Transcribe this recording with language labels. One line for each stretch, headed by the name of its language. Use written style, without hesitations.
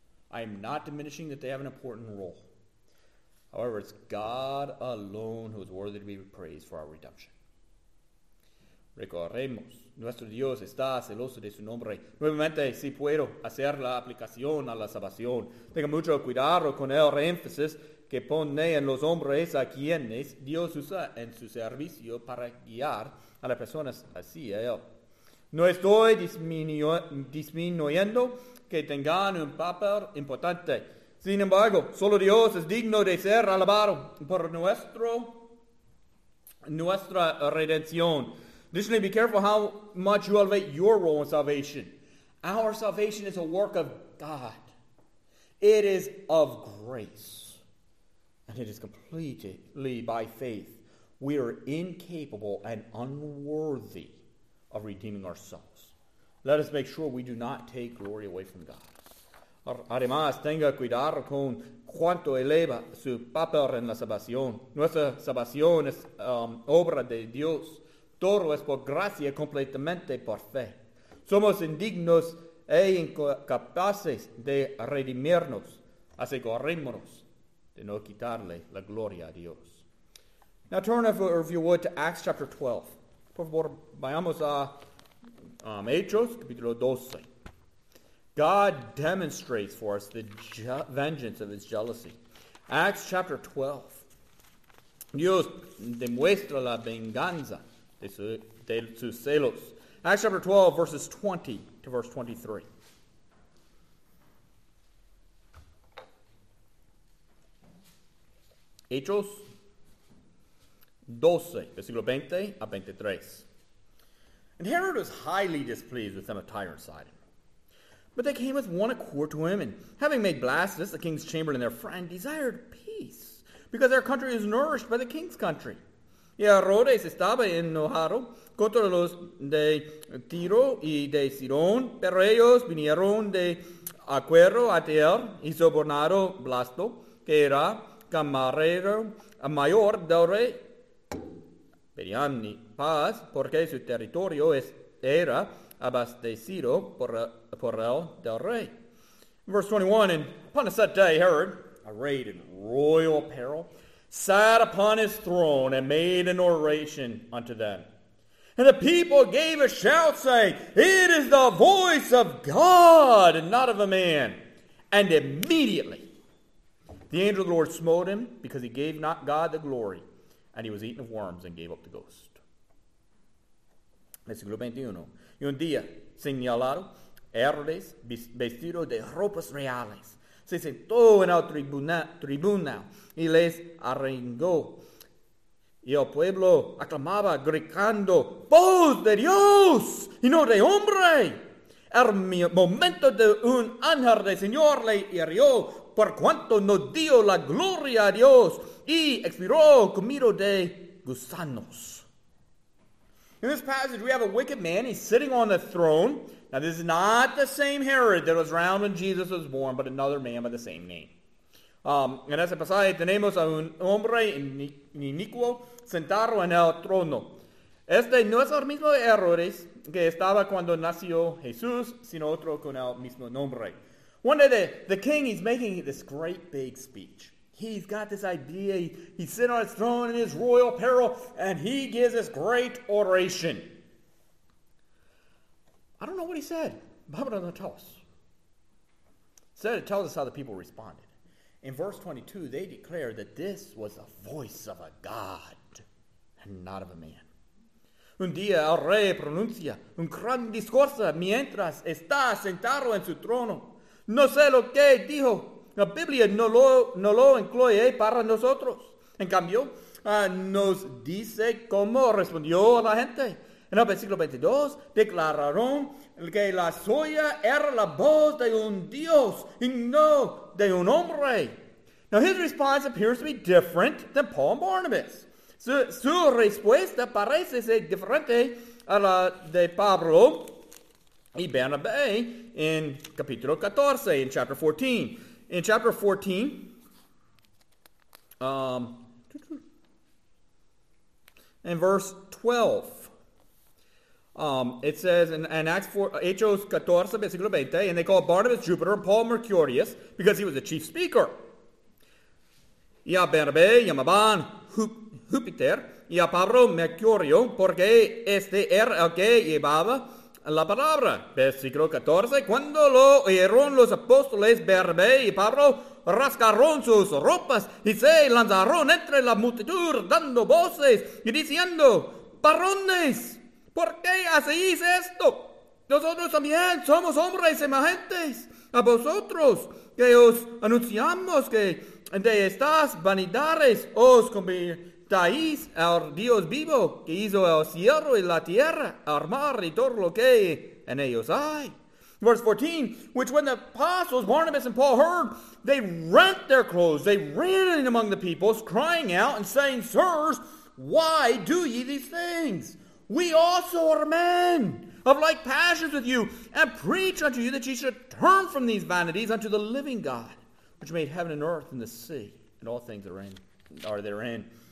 English: I am not diminishing that they have an important role. However, it's God alone who is worthy to be praised for our redemption.
Spanish: Recordemos, nuestro Dios está celoso de su nombre. Nuevamente, si puedo hacer la aplicación a la salvación, tenga mucho cuidado con el reemphasis que pone en los hombres a quienes Dios usa en su servicio para guiar a las personas hacia él. No estoy disminuyendo que tengan un papel importante. Sin embargo, solo Dios es digno de ser alabado por nuestra redención.
English: Additionally, be careful how much you elevate your role in salvation. Our salvation is a work of God. It is of grace. And it is completely by faith. We are incapable and unworthy of redeeming ourselves. Let us make sure we do not take glory away from God.
Spanish: Además, tenga cuidado con cuánto eleva su papel en la salvación. Nuestra salvación es obra de Dios. Todo es por gracia, completamente por fe. Somos indignos e incapaces de redimirnos. Asegurémonos de no quitarle la gloria a Dios.
English: Now turn, if you would, to Acts chapter 12.
Spanish: Por favor, vayamos a Hechos, capítulo 12.
English: God demonstrates for us the vengeance of his jealousy. Acts chapter 12.
Spanish: Dios demuestra la venganza de sus celos.
English: Acts chapter 12, verses 20 to verse 23.
Spanish: Hechos 12, versículo 20 a 23.
English: And Herod was highly displeased with them of Tyre and Sidon. But they came with one accord to him, and having made Blastus, the king's chamberlain, their friend, desired peace, because their country is nourished by the king's country.
Spanish: Y Herodes estaba enojado contra los de Tiro y de Sidón, pero ellos vinieron de acuerdo a él y sobornaron Blasto, que era camarero mayor del rey. Pedían paz porque su territorio era abastecido por el del rey.
English: Verse 21, and upon a set day, Herod, arrayed in royal apparel, sat upon his throne and made an oration unto them. And the people gave a shout, saying, it is the voice of God and not of a man. And immediately the angel of the Lord smote him, because he gave not God the glory, and he was eaten of worms and gave up the ghost.
Spanish: Versículo 21. Y un día señalado, Herodes, vestido de ropas reales, se sentó en el tribunal y les arengó. Y el pueblo aclamaba gritando, ¡Voz de Dios y no de hombre! El momento de un ángel del Señor le hirió, por cuanto no dio la gloria a Dios, y expiró comido de gusanos.
English: In this passage, we have a wicked man. He's sitting on the throne. Now, this is not the same Herod that was around when Jesus was born, but another man by the same name.
Spanish: En ese pasaje tenemos a un hombre inicuo sentado en el trono. Este no es el mismo Herodes que estaba cuando nació Jesús, sino otro con el mismo nombre.
English: One day, the king, he's making this great big speech. He's got this idea. He's sitting on his throne in his royal apparel, and he gives this great oration. I don't know what he said.
Spanish: Vamos a nosotros.
English: Instead, it tells us how the people responded. In verse 22, they declared that this was the voice of a God and not of a man.
Spanish: Un día el rey pronuncia un gran discurso mientras está sentado en su trono. No sé lo que dijo. La Biblia no lo incluye para nosotros. En cambio, nos dice cómo respondió la gente. En el versículo 22, declararon que la suya era la voz de un Dios y no de un hombre.
English: Now, his response appears to be different than Paul and Barnabas.
Spanish: Su respuesta parece ser diferente a la de Pablo y Bernabé en capítulo 14, en chapter 14.
English: In chapter 14, in verse 12, it says in Acts 4,
Spanish: Hechos 14, versículo 20,
English: and they called Barnabas Jupiter and Paul Mercurius because he was the chief speaker.
Spanish: Y a Bernabé llamaban Júpiter y a Pablo Mercurio porque este era el que llevaba la palabra, versículo 14, cuando lo oyeron los apóstoles Bernabé y Pablo, rascaron sus ropas y se lanzaron entre la multitud dando voces y diciendo, varones, ¿por qué hacéis esto? Nosotros también somos hombres semejantes a vosotros, que os anunciamos que de estas vanidades os convirtáis al Dios vivo que hizo el cielo y la tierra, al mar y todo lo que en ellos hay.
English: Verse 14, which when the apostles Barnabas and Paul heard, they rent their clothes, they ran in among the peoples, crying out and saying, sirs, why do ye these things? We also are men of like passions with you, and preach unto you that ye should turn from these vanities unto the living God, which made heaven and earth and the sea, and all things are therein.